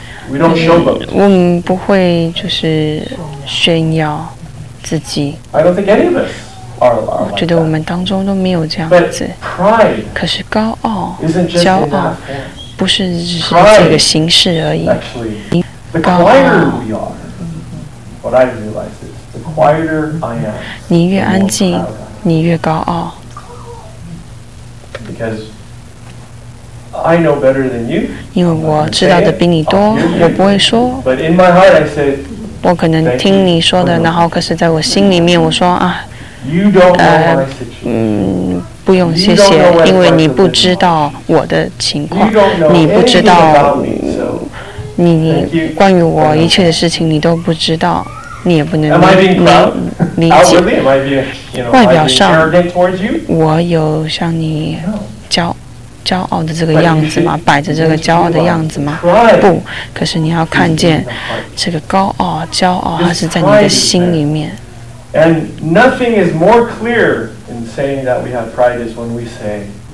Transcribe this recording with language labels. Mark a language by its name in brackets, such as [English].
[Chinese] 我们不会就是炫耀自己。我觉得我们当中都没有这样子。可是高傲、骄傲，不是只是这个形式而已。高傲。 [English] What I realize is, the quieter I am, [Chinese] 你越安静，你越高傲。 [English] Because I know better than you. [Chinese] 因为我知道的比你多，我不会说。 [English] But in my heart, I say. [Chinese] 我可能听你说的，然后可是在我心里面，我说啊。 [English] You don't know my situation. [Chinese] 不用谢谢，因为你不知道我的情况，你不知道。你关于我一切的事情你都不知道，你也不能理解。外表上我有像你骄傲的这个样子吗？摆着这个骄傲的样子吗？不，可是你要看见这个高傲骄傲它是在你的心里面。 [English] And nothing is more clear in saying that we have pride is when we say